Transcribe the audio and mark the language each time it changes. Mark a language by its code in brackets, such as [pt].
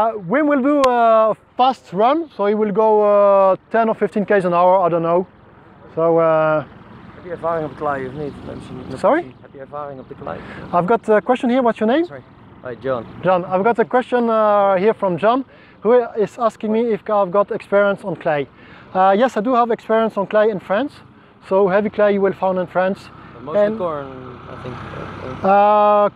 [en] Wim will do a fast run, so he will go 10 of 15 k's an hour, I don't know. So, [nl] heb je ervaring op de klei of niet? [en] Sorry? [nl] Heb je ervaring op de klei? [en] I've got a question here, what's your name? Sorry. Hi, John. John, I've got a question here from John. Who is asking me if I've got experience on clay? Yes, I do have experience on clay in France. So heavy clay you will find in France. Mostly and corn, I think.